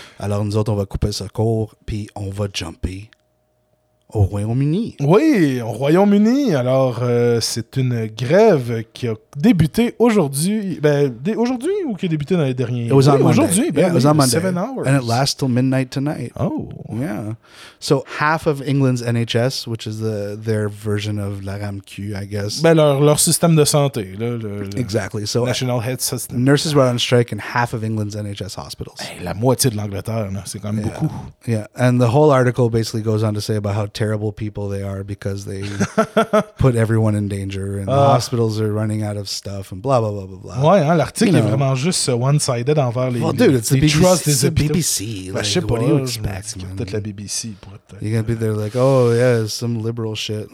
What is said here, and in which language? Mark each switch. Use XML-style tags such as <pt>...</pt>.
<fr>Alors nous autres, on va couper ce cours, puis on va jumper au Royaume-Uni. Oui, au Royaume-Uni. Alors, c'est une grève qui a débuté aujourd'hui. Ben, aujourd'hui ou qui a débuté dans les derniers...</fr> <en>It was on Monday.</en> <fr>Aujourd'hui, ben,</fr> <en>yeah, it was on Monday. 7 hours. And it lasts till midnight tonight. Oh. Yeah. So, half of England's NHS, which is their version of la RAMQ, I guess.</en> <fr>Ben, leur système de santé. Le</fr> <en>exactly. So, National Health System. Nurses were on strike in half of England's NHS hospitals.</en> <fr>Hey, la moitié de l'Angleterre, c'est quand même</fr> <en>yeah.</en> <fr>beaucoup.</fr> <en>Yeah. And the whole article basically goes on to say about how terrible people they are because they put everyone in danger and the hospitals are running out of stuff and blah blah blah blah blah.</en> <fr>Ouais, hein, l'article est vraiment juste one-sided envers les.</fr> <en>Well, dude, it's the BBC. It's the BBC. Like, shit, what do you expect?</en> <fr>Peut-être la BBC pour être.</fr> <en>You're gonna be there like, oh yeah, some liberal shit.</en>